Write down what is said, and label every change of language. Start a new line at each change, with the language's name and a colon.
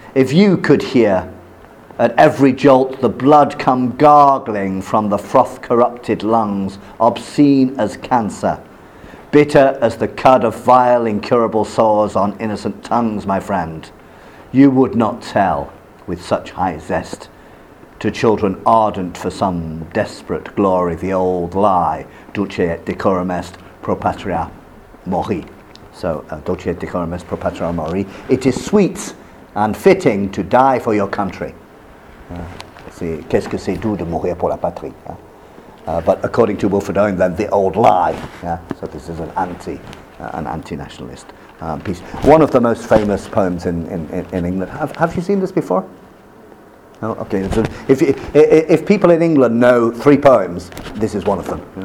English: If you could hear at every jolt the blood come gargling from the froth-corrupted lungs, obscene as cancer, bitter as the cud of vile incurable sores on innocent tongues, my friend, you would not tell with such high zest to children ardent for some desperate glory the old lie,
Latin: dulce et decorum est pro patria mori."
English: So,
Latin: dulce et decorum est pro patria mori.
English: It is sweet and fitting to die for your country.
French: Qu'est-ce que c'est doux de mourir pour la patrie?
English: But according to Wilfred Owen, then the old lie. Yeah? So this is an anti-nationalist piece. One of the most famous poems in England. Have you seen this before? No? Okay. So if people in England know three poems, this is one of them.